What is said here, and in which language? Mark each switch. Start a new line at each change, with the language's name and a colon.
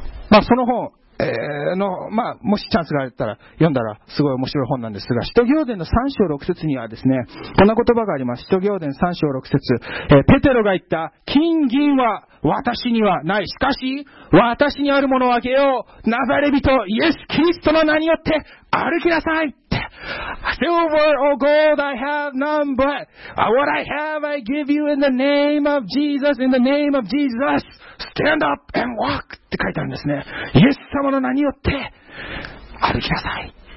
Japanese: まあ、その本、の、まあ、もしチャンスがあったら読んだらすごい面白い本なんですが、使徒行伝の3章6節にはですね、こんな言葉があります。使徒行伝3章6節、ペテロが言った、金銀は私にはない、しかし私にあるものをあげよう、ナザレ人イエス・キリストの名によって歩きなさい。
English: Silver or gold I have none, but what I have I give you in the name of Jesus, in the name of Jesus, stand up and walk!
Japanese: って書いてあるんですね。イエス様の名によって歩きなさい。